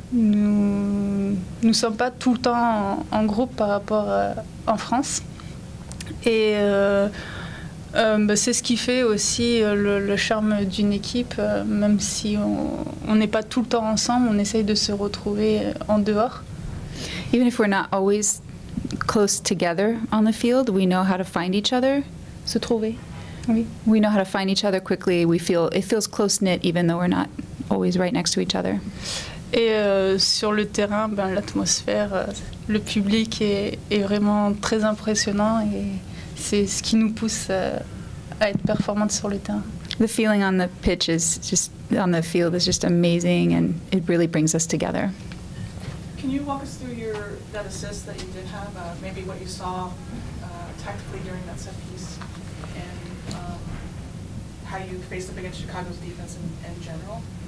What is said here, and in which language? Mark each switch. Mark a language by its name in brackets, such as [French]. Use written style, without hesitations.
[French] Nous ne sommes pas tout le temps en groupe par rapport en France. Et c'est ce qui fait aussi le charme d'une équipe. Même si on n'est pas tout le temps ensemble, on essaye de se retrouver en dehors. [English] Even if we're not always close together on the field, we know how to find each other. [French] Se trouver. Oui. [English] We know how to find each other quickly. It feels close-knit even though we're not always right next to each other. [French] Et sur le terrain, l'atmosphère, le public est vraiment très impressionnant et c'est ce qui nous pousse à être performante sur le terrain. [English] The feeling on the pitch is just, on the field is just amazing and it really brings us together. Can you walk us through that assist that you did have, maybe what you saw tactically during that set piece, and how you faced up against Chicago's defense in general?